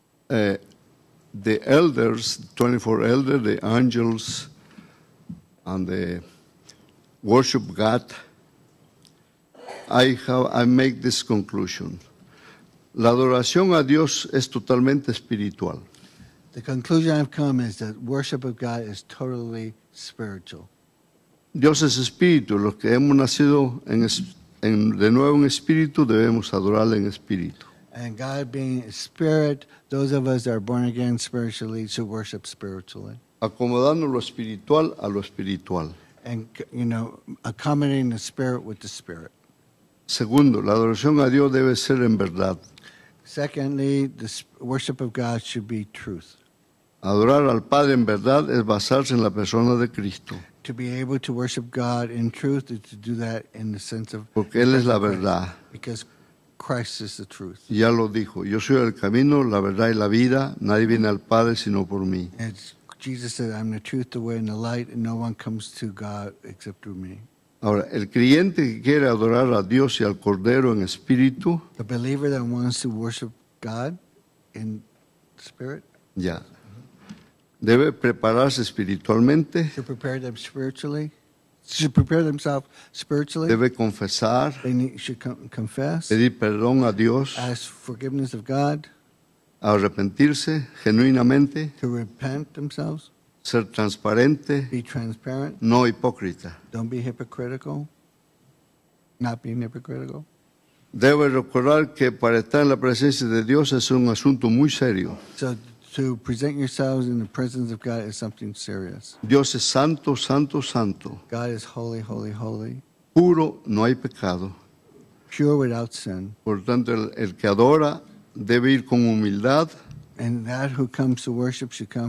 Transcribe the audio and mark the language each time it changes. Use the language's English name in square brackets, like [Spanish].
[English] elders, 24 elders, the angels, and the worship God, I make this conclusion. [Spanish] La adoración a Dios es totalmente espiritual. [English] The conclusion I've come is that worship of God is totally spiritual. [Spanish] Dios es espíritu, los que hemos nacido en espíritu. De nuevo en espíritu debemos adorarle en espíritu. [English] And God being spirit, those of us that are born again spiritually should worship spiritually. [Spanish] Acomodando lo espiritual a lo espiritual. [English] And you know, accommodating the spirit with the spirit. [Spanish] Segundo, la adoración a Dios debe ser en verdad. [English] Secondly, the worship of God should be truth. [Spanish] Adorar al Padre en verdad es basarse en la persona de Cristo. [English] To be able to worship God in truth is to do that in the sense of [Spanish] porque él es la verdad. [English] Because Christ is the truth. [Spanish] Ya lo dijo. Yo soy el camino, la verdad y la vida. Nadie viene al Padre sino por mí. [English] As Jesus said, I'm the truth, the way, and the light, and no one comes to God except through me. [Spanish] Ahora, el creyente que quiere adorar a Dios y al Cordero en espíritu. [English] The believer that wants to worship God in spirit. [Spanish] Ya. Debe prepararse espiritualmente. [English] To prepare them spiritually. To prepare themselves spiritually. [Spanish] Debe confesar. [English] They should confess. [Spanish] Pedir perdón a Dios. [English] Ask forgiveness of God. [Spanish] Arrepentirse genuinamente. [English] To repent themselves. [Spanish] Ser transparente. [English] Be transparent. [Spanish] No hipócrita. [English] Don't be hypocritical. Not being hypocritical. [Spanish] Debe recordar que para estar en la presencia de Dios es un asunto muy serio. [English] So to present yourselves in the presence of God is something serious. [Spanish] Dios es santo, santo, santo. [English] God is holy, holy, holy. [Spanish] Puro, no hay pecado. [English] Pure without sin. [Spanish] Por tanto, el que adora debe ir con humildad. [English] And that who comes to worship should come